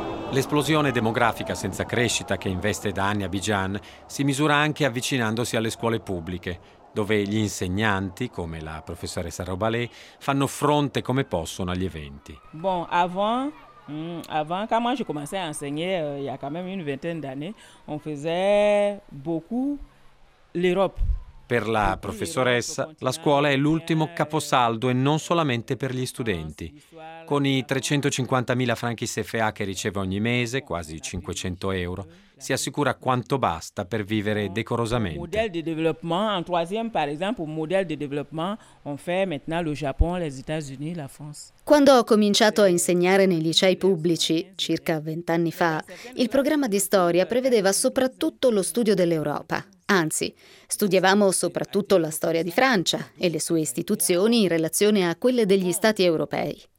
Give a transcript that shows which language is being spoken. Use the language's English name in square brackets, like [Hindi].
[Italian] L'esplosione demografica senza crescita che investe da anni Abidjan si misura anche avvicinandosi alle scuole pubbliche, dove gli insegnanti, come la professoressa Robalé, fanno fronte come possono agli eventi. [French] Bon, avant quand moi je commençais à enseigner il y a quand même une vingtaine d'années, on faisait beaucoup l'Europe. [Italian] Per la professoressa, la scuola è l'ultimo caposaldo e non solamente per gli studenti. Con i 350.000 franchi CFA che riceve ogni mese, quasi 500 euro, si assicura quanto basta per vivere decorosamente. Modello di [French] développement, en troisième, par exemple, modello di développement, on fait maintenant le Japon, les États-Unis, la France. [Italian] Quando ho cominciato a insegnare nei licei pubblici, circa 20 anni fa, il programma di storia prevedeva soprattutto lo studio dell'Europa. Anzi, studiavamo soprattutto la storia di Francia e le sue istituzioni in relazione a quelle degli stati europei.